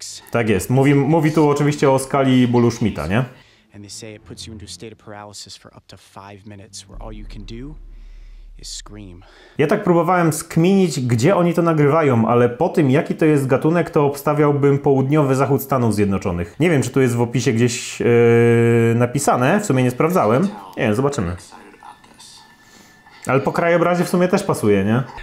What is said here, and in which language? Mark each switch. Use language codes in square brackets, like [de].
[pl] Tak jest, mówi tu oczywiście o skali bólu Schmidta, nie? [en] And they say it puts you into a state of paralysis for up to 5 minutes, where all you can do is scream. [pl] Ja tak próbowałem skminić, gdzie oni to nagrywają, ale po tym, jaki to jest gatunek, to obstawiałbym południowy zachód Stanów Zjednoczonych. Nie wiem, czy tu jest w opisie gdzieś napisane, w sumie nie sprawdzałem. Nie, zobaczymy. Ale po krajobrazie w sumie też pasuje, nie?